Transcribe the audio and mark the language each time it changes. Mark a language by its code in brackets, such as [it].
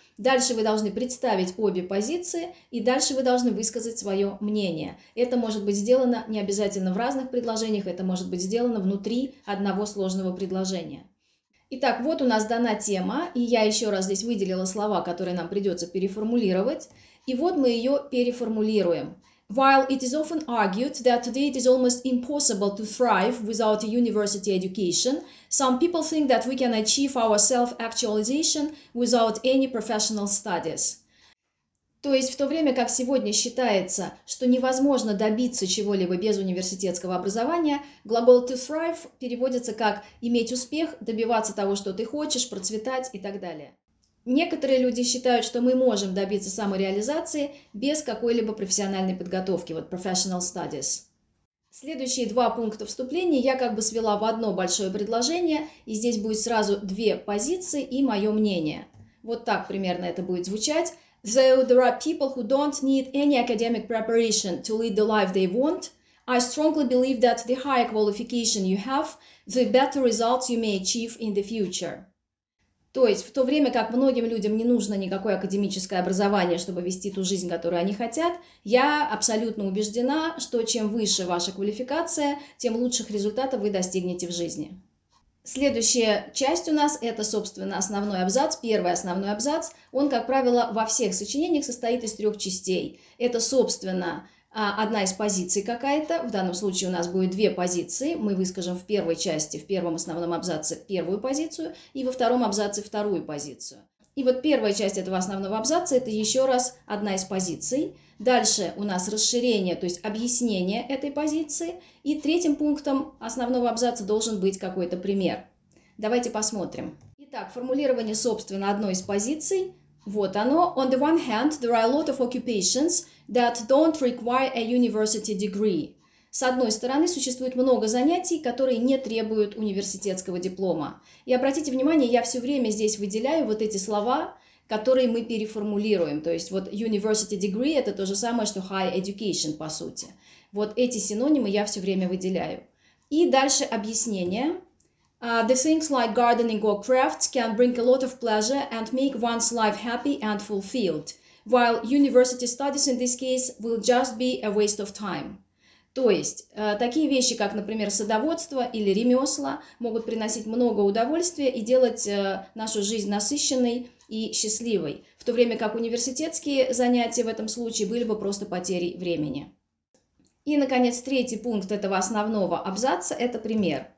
[ru] Дальше вы должны представить обе позиции, и дальше вы должны высказать свое мнение. Это может быть сделано не обязательно в разных предложениях, это может быть сделано внутри одного сложного предложения. Итак, вот у нас дана тема, и я еще раз здесь выделила слова, которые нам придется переформулировать, и вот мы ее переформулируем. [en] While it is often argued that today it is almost impossible to thrive without a university education, some people think that we can achieve our self-actualization without any professional studies. [ru] То есть в то время как сегодня считается, что невозможно добиться чего-либо без университетского образования, глагол [en] to thrive [ru] переводится как иметь успех, добиваться того, что ты хочешь, процветать и так далее. Некоторые люди считают, что мы можем добиться самореализации без какой-либо профессиональной подготовки, вот [en] professional studies. [ru] Следующие два пункта вступления я как бы свела в одно большое предложение, и здесь будет сразу две позиции и мое мнение. Вот так примерно это будет звучать. [en] Though there are people who don't need any academic preparation to lead the life they want, I strongly believe that the higher qualification you have, the better results you may achieve in the future. [ru] То есть, в то время как многим людям не нужно никакое академическое образование, чтобы вести ту жизнь, которую они хотят, я абсолютно убеждена, что чем выше ваша квалификация, тем лучших результатов вы достигнете в жизни. Следующая часть у нас – это, собственно, основной абзац, первый основной абзац. Он, как правило, во всех сочинениях состоит из трех частей. Это, собственно, одна из позиций какая-то. В данном случае у нас будет две позиции. Мы выскажем в первой части, в первом основном абзаце первую позицию и во втором абзаце вторую позицию. И вот первая часть этого основного абзаца – это еще раз одна из позиций. Дальше у нас расширение, то есть объяснение этой позиции. И третьим пунктом основного абзаца должен быть какой-то пример. Давайте посмотрим. Итак, формулирование, собственно, одной из позиций. Вот оно. [en] On the one hand, there are a lot of occupations that don't require a university degree. [ru] С одной стороны, существует много занятий, которые не требуют университетского диплома. И обратите внимание, я все время здесь выделяю вот эти слова, которые мы переформулируем. То есть вот [en] university degree [ru] – это то же самое, что [en] high education, [ru] по сути. Вот эти синонимы я все время выделяю. И дальше объяснение. [en] The things like gardening or crafts can bring a lot of pleasure and make one's life happy and fulfilled, while university studies in this case will just be a waste of time. [ru] То есть, такие вещи, как, например, садоводство или ремесла, могут приносить много удовольствия и делать нашу жизнь насыщенной и счастливой, в то время как университетские занятия в этом случае были бы просто потерей времени. И, наконец, третий пункт этого основного абзаца – это пример.